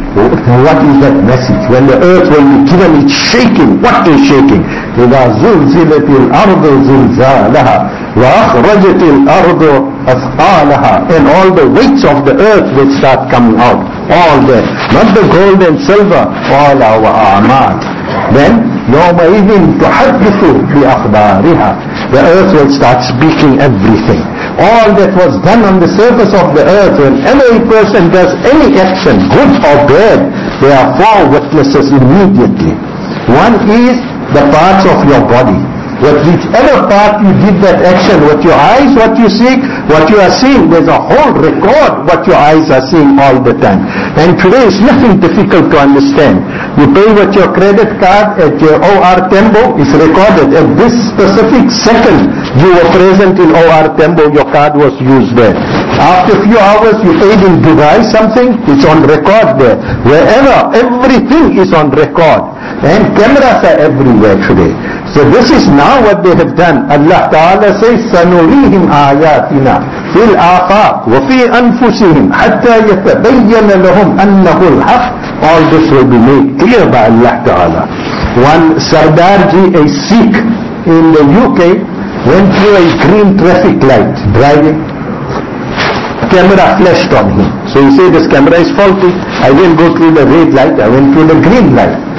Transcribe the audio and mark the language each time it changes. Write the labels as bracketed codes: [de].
[en] What is that message? When the earth will be given, it's shaking. What is shaking? [ar] إِذَا زُلْزِلَتِ الْأَرْضُ زِلْزَالَهَا وَأَخْرَجَتِ الْأَرْضُ أَثْقَالَهَا. [en] And all the weights of the earth will start coming out. All that. Not the gold and silver. All our a'mal. [ar] Then, يَوْمَئِذٍ تُحَدِّثُ بِأَخْبَارِهَا. [en] The earth will start speaking everything. All that was done on the surface of the earth, when any person does any action, good or bad, there are four witnesses immediately. One is the parts of your body. With whichever part you did that action, with your eyes, what you see, what you are seeing, there's a whole record what your eyes are seeing all the time. And today is nothing difficult to understand. You pay with your credit card at your OR Tembo, it's recorded. At this specific second you were present in OR Tembo, your card was used there. After a few hours you paid in Dubai something, it's on record there. Wherever, everything is on record. And cameras are everywhere today. So this is now what they have done. Allah Ta'ala says, [ar] سَنُرِيهِمْ آيَاتِنَا في الآفاق وفي أنفسهم حتى يتبين لهم أنه الحق. [en] All this will be made clear by Allah Ta'ala. One Sardarji, a Sikh in the UK, went through a green traffic light driving. Camera flashed on him. So he said, this camera is faulty. I didn't go through the red light, I went through the green light.